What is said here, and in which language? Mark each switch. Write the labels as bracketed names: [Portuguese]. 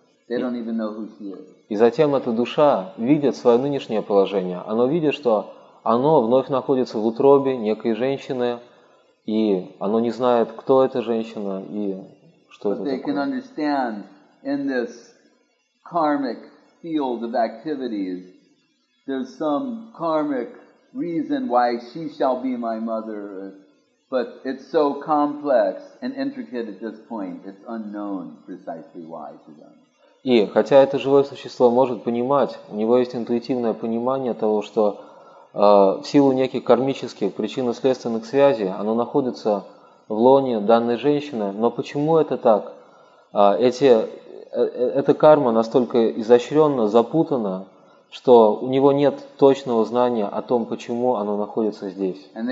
[English] They don't even know who she is. [Russian] И затем эта душа видит свое нынешнее положение. Оно видит, что оно вновь находится в утробе некой женщины, и оно не знает, кто эта женщина и что это такое. [English] They can understand in this karmic field of activities, there's some karmic reason why she shall be my mother, but it's so complex and intricate at this point, it's unknown precisely why to them. [Russian] И хотя это живое существо может понимать, у него есть интуитивное понимание того, что в силу неких кармических причинно-следственных связей оно находится в лоне данной женщины, но почему это так? Эта карма настолько изощренно запутана, что у него нет точного знания о том, почему оно находится здесь.